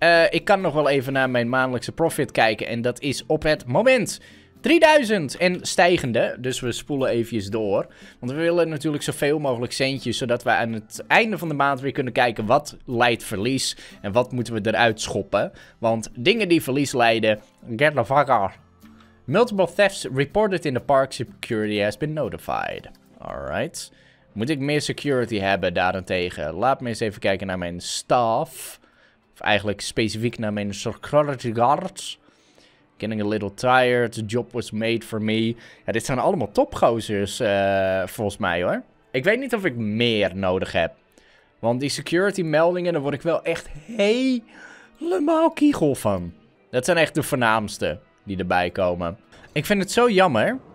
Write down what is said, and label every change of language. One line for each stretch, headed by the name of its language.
Dutch: Ik kan nog wel even naar mijn maandelijkse profit kijken en dat is op het moment 3000 en stijgende, dus we spoelen eventjes door. Want we willen natuurlijk zoveel mogelijk centjes, zodat we aan het einde van de maand weer kunnen kijken wat leidt verlies en wat moeten we eruit schoppen. Want dingen die verlies leiden,
English: get the fuck off. Multiple thefts reported in the park, security has been notified. Alright.
Dutch: Moet ik meer security hebben daarentegen? Laat me eens even kijken naar mijn staff. Of eigenlijk specifiek naar mijn security guards.
English: Getting a little tired, the job was made for me.
Dutch: Ja, dit zijn allemaal topgozers, volgens mij hoor. Ik weet niet of ik meer nodig heb. Want die security meldingen, daar word ik wel echt helemaal kiegel van. Dat zijn echt de voornaamste die erbij komen. Ik vind het zo jammer.